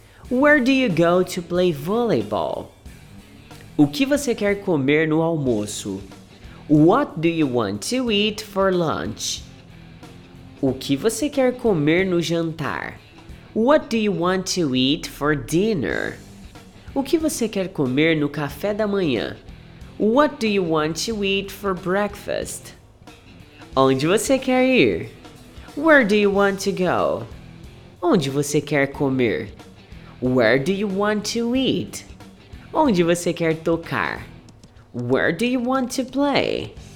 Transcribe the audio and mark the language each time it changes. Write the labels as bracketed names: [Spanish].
[English] Where do you go to play volleyball? [Portuguese] O que você quer comer no almoço? [English] What do you want to eat for lunch? [Portuguese] O que você quer comer no jantar? [English] What do you want to eat for dinner? [Portuguese] O que você quer comer no café da manhã? [English] What do you want to eat for breakfast? [Portuguese] Onde você quer ir? [English] Where do you want to go? [Portuguese] Onde você quer comer? [English] Where do you want to eat? [Portuguese] Onde você quer tocar? [English] Where do you want to play?